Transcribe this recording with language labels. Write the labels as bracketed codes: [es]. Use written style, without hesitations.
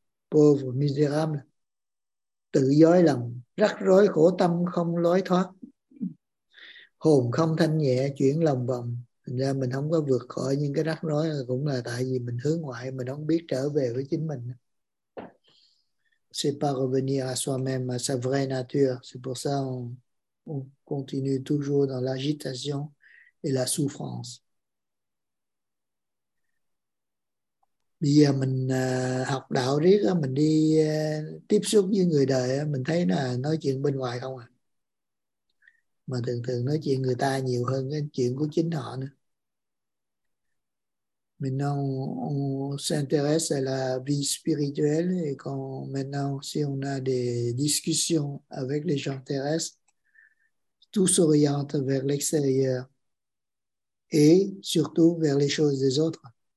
[fr] Pauvre, miserable. [vi] Tự dối lòng, rắc rối khổ tâm không lối thoát, hồn không thanh nhẹ chuyển lòng vòng. Thành ra mình không có vượt khỏi những cái rắc rối, cũng là tại vì mình hướng ngoại, mình không biết trở về với chính mình. [fr] C'est pas revenir à soi-même, à sa vraie nature. C'est pour ça on continue toujours dans l'agitation et la souffrance. [vi] Bây giờ mình học đạo riết, mình đi tiếp xúc với người đời, mình thấy là nói chuyện bên ngoài không à, mà thường thường nói chuyện người ta nhiều hơn cái chuyện của chính họ nữa. [fr] Maintenant, on s'intéresse à la vie spirituelle et quand maintenant, si on a des discussions avec les gens terrestres, tout s'oriente vers l'extérieur et surtout vers les choses des autres.